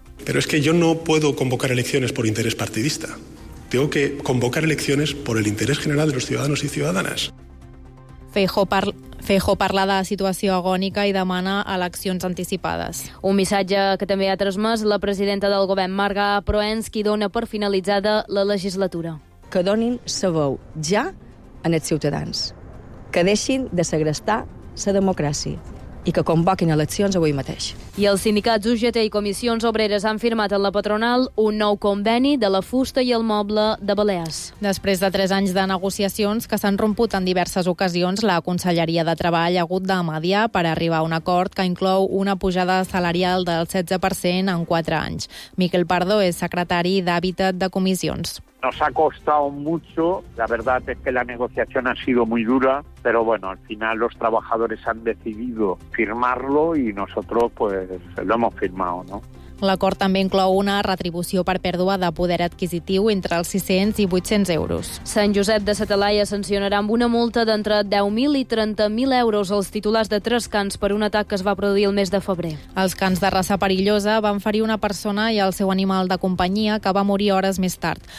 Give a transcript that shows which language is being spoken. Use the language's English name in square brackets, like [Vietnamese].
[Spanish] Pero es que yo no puedo convocar elecciones por interés partidista. Tengo que convocar elecciones por el interés general de los ciudadanos y ciudadanas. [Catalan] Feijó parla de situació agònica i demana eleccions anticipades. Un missatge que també ha transmès la presidenta del govern, Marga Proens, qui dona per finalitzada la legislatura. Que donin sa veu ja a els ciutadans. Que deixin de segrestar sa democràcia. I que convoquin eleccions avui mateix. I els sindicats UGT i Comissions Obreres han firmat en la patronal un nou conveni de la fusta i el moble de Balears. Després de 3 anys de negociacions que s'han romput en diverses ocasions, la Conselleria de Treball ha hagut de mediar per arribar a un acord que inclou una pujada salarial del 16% en 4 anys. Miquel Pardo és secretari d'Hàbitat de Comissions. [Spanish] Nos ha costado mucho, la verdad es que la negociación ha sido muy dura, pero bueno, al final los trabajadores han decidido firmarlo y nosotros pues lo hemos firmado, ¿no? [Catalan] L'acord també inclou una retribució per pèrdua de poder adquisitiu entre els 600 i 800 euros. Sant Josep de Sa Talaia sancionarà amb una multa d'entre 10.000 i 30.000 euros els titulars de 3 cans per un atac que es va produir el mes de febrer. Els cans de raça perillosa van ferir una persona i el seu animal de companyia, que va morir hores més tard.